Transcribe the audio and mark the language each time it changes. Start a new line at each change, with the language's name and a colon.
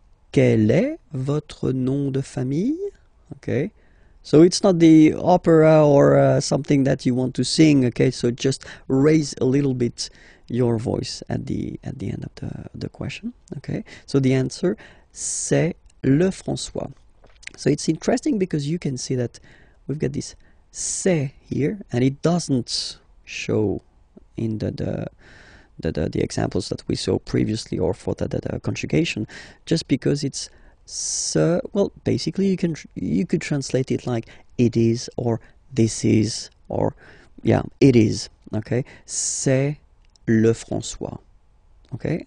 French: Quel est votre nom de famille?
English: Okay, so it's not the opera or something that you want to sing, okay, so just raise a little bit your voice at the end of the question, okay. So the answer,
French: c'est le François.
English: So it's interesting because you can see that we've got this c'est here and it doesn't show in the examples that we saw previously or for the conjugation, just because it's so, well, basically you could translate it like it is or this is or yeah, it is, okay,
French: c'est le François,
English: okay.